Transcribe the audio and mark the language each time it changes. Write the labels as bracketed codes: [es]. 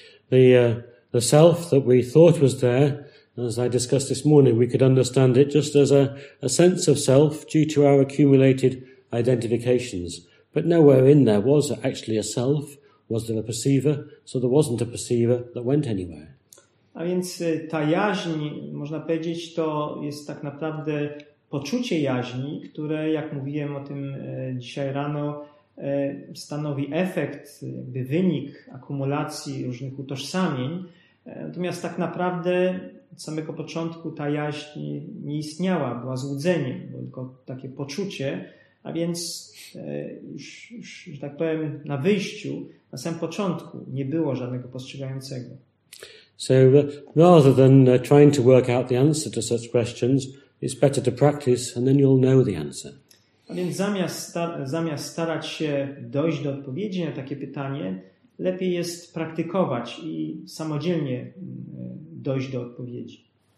[en] The self that we thought was there, as I discussed this morning, we could understand it just as a sense of self due to our accumulated identifications, but nowhere in there was actually a self, was there a perceiver, so there wasn't a perceiver that went anywhere. [pl] A więc ta jaźń, można powiedzieć, to jest tak naprawdę poczucie jaźni, które, jak mówiłem o tym dzisiaj rano, stanowi efekt, jakby wynik akumulacji różnych utożsamień. Natomiast tak naprawdę od samego początku ta jaźń nie istniała, była złudzeniem, było tylko takie poczucie. A więc już, że tak powiem, na wyjściu, na samym początku nie było żadnego postrzegającego. [en] So rather than trying to work out the answer to such questions, it's better to practice and then you'll know the answer. [pl] A więc zamiast starać się dojść do odpowiedzi na takie pytanie, lepiej jest praktykować i samodzielnie dojść do odpowiedzi.